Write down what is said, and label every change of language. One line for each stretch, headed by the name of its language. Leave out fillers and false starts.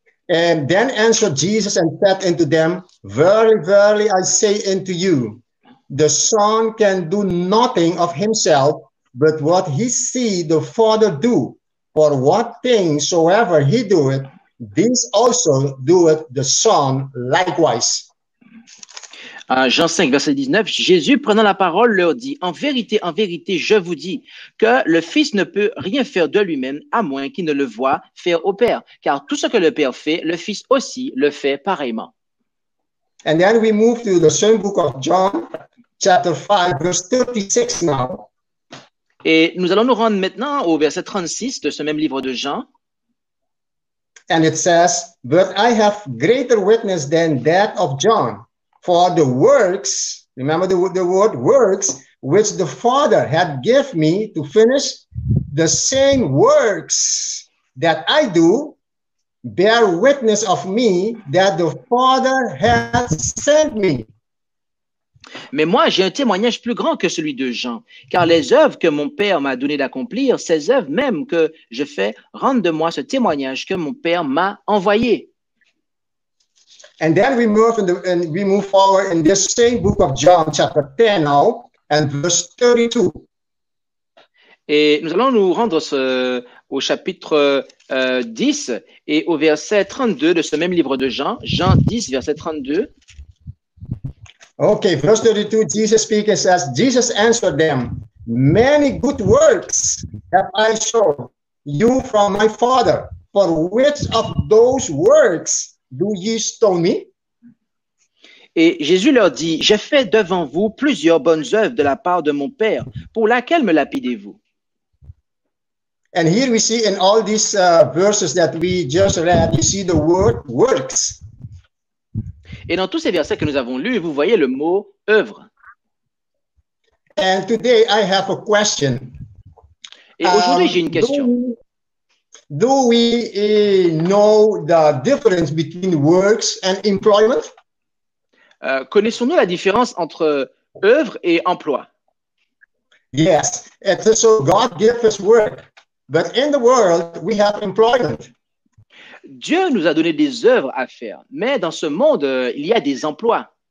English: And then answered Jesus and said unto them, Verily, verily, I say unto you, the Son can do nothing of himself, but what he see the Father do. For what things soever he doeth, this also doeth the Son likewise.
French: Jean 5, verset 19, Jésus prenant la parole leur dit, en vérité, je vous dis que le Fils ne peut rien faire de lui-même à moins qu'il ne le voie faire au Père. Car tout ce que le Père fait, le Fils aussi le fait pareillement.
English: And then we move to the same book of John, chapter 5, verse 36 now.
French: Et nous allons nous rendre maintenant au verset 36 de ce même livre de Jean.
English: And it says, But I have greater witness than that of John. For the works, remember the word works, which the Father had given me to finish, the same works that I do bear witness of me that the Father has sent me.
French: Mais moi, j'ai un témoignage plus grand que celui de Jean, car les œuvres que mon Père m'a donné d'accomplir, ces œuvres même que je fais, rendent de moi ce témoignage que mon Père m'a envoyé.
English: And then we move forward in this same book of John, chapter 10 now, and verse 32.
French: Et nous allons nous rendre au chapitre 10 et au verset 32 de ce même livre de Jean, Jean 10, verset 32.
English: Okay, verse 32, Jesus speaking says, Jesus answered them, Many good works have I shown you from my Father, for which of those works do ye stone me?
French: Et Jésus leur dit, J'ai fait devant vous plusieurs bonnes œuvres de la part de mon Père. Pour laquelle me lapidez-vous?
English: And here we see in all these verses that we just read, you see the word works.
French: Et dans tous ces versets que nous avons lus, vous voyez le mot œuvre.
English: And today I have a question.
French: Et aujourd'hui j'ai une question.
English: Do we know the difference between works and employment?
French: Connaissons-nous la différence entre œuvre et emploi?
English: Yes, it's so God gives us work, but in the world we have employment.
French: Dieu nous a donné des œuvres à faire, mais dans ce monde, il y a des emplois.